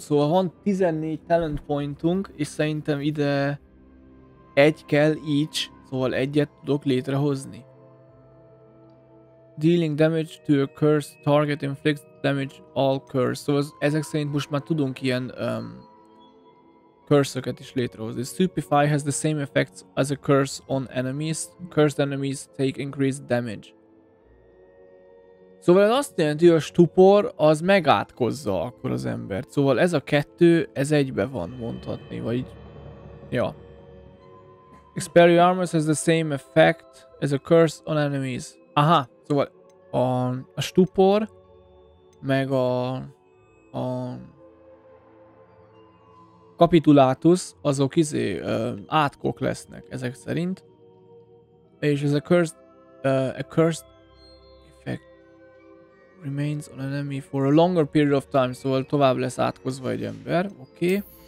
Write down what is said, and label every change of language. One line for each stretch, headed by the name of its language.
Hungarian: Szóval van 14 talent pointunk, és szerintem ide egy kell each, szóval egyet tudok létrehozni.
English: Dealing damage to a cursed target inflicts damage all curse.
Hungarian: Szóval ezek szerint most már tudunk ilyen curse-öket is létrehozni.
English: Stupefy has the same effects as a curse on enemies. Cursed enemies take increased damage.
Hungarian: Szóval ez azt jelenti, hogy a stupor az megátkozza akkor az embert. Szóval ez a kettő, ez egybe van, mondhatni, vagy... Ja.
English: Expelliarmus has the same effect as a curse on enemies.
Hungarian: Aha, szóval a stupor, meg a kapitulátus, azok átkok lesznek ezek szerint. És ez a
English: cursed remains on enemy for a longer period of time,
Hungarian: szóval tovább lesz átkozva egy ember, oké.